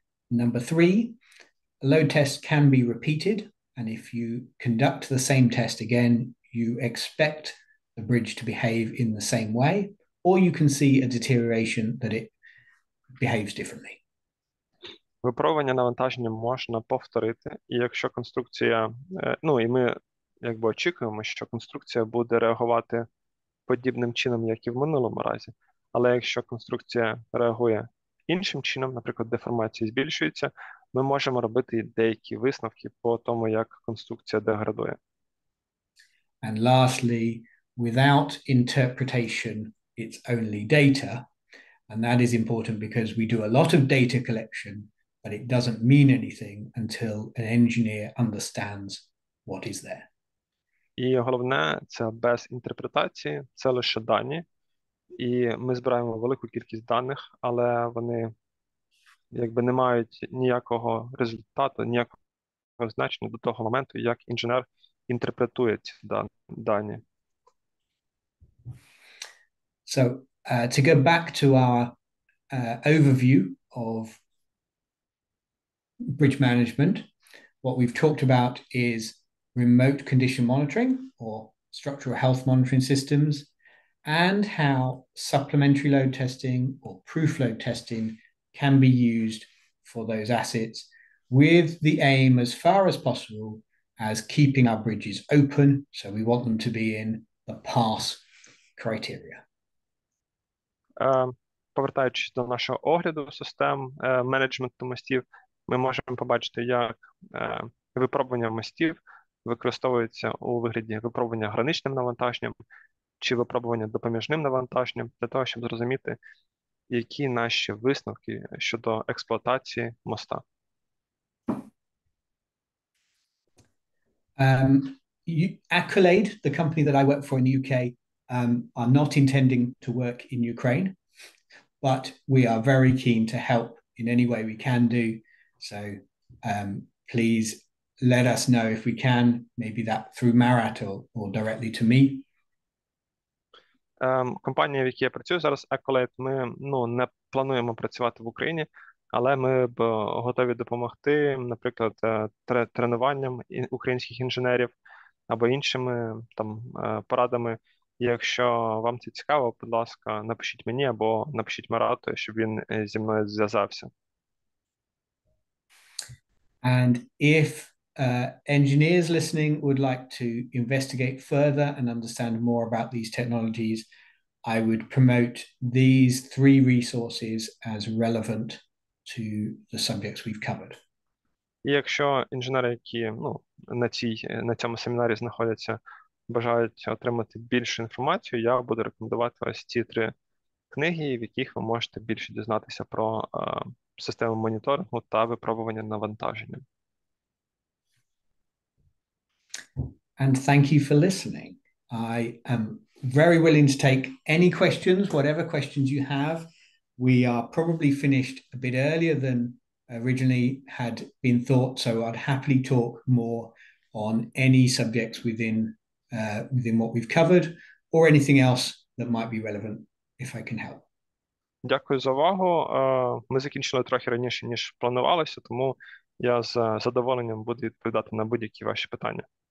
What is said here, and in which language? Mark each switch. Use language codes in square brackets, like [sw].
[en] Number three, load tests can be repeated, and if you conduct the same test again, you expect the bridge to behave in the same way, or you can see a deterioration that it behaves differently. [uk] Випробування навантаження можна повторити, і якщо конструкція, ну і ми якби очікуємо, що конструкція буде реагувати подібним чином, як і в минулому разі, але якщо конструкція реагує іншим чином, наприклад, деформація збільшується, ми можемо робити деякі висновки по тому, як конструкція деградує. [en] And lastly, without interpretation, it's only data, and that is important because we do a lot of data collection, but it doesn't mean anything until an engineer understands what is there. [uk] І головне, це без інтерпретації, це лише дані. І ми збираємо велику кількість даних, але вони якби не мають ніякого результату, ніякого значення до того моменту, як інженер інтерпретує ці дані. [en] So, to go back to our overview of bridge management, what we've talked about is remote condition monitoring or structural health monitoring systems, and how supplementary load testing or proof load testing can be used for those assets with the aim as far as possible as keeping our bridges open. So we want them to be in the pass criteria. [uk] Повертаючись до нашого огляду систем менеджменту мостів, ми можемо побачити, як випробування мостів використовується у вигляді випробування граничним навантаженням чи випробування допоміжним навантаженням для того, щоб зрозуміти, які наші висновки щодо експлуатації моста. [en] Accolade, the company that I work for in the UK, are not intending to work in Ukraine, but we are very keen to help in any way we can do. So please let us know if we can, maybe that through Marat or directly to me. [uk] Компанія, в якій я працюю зараз, Accolade, ми ну, не плануємо працювати в Україні, але ми б готові допомогти, наприклад, тренуванням українських інженерів або іншими там порадами. Якщо вам це цікаво, будь ласка, напишіть мені або напишіть Марату, щоб він зі мною зв'язався. [en] And if engineers listening would like to investigate further and understand more about these technologies, I would promote these three resources as relevant to the subjects we've covered. [uk] І якщо інженери, які ну, на цьому семінарі знаходяться, бажають отримати більшу інформацію, я буду рекомендувати ось ці три книги, в яких ви можете більше дізнатися про систему моніторингу та випробування навантаження. [en] And thank you for listening. I am very willing to take any questions, whatever questions you have. We are probably finished a bit earlier than originally had been thought, so I'd happily talk more on any subjects within what we've covered or anything else that might be relevant if I can help. [uk] Дякую за увагу. Ми закінчили трохи раніше, ніж планувалося, тому я з задоволенням буду відповідати на будь-які ваші питання.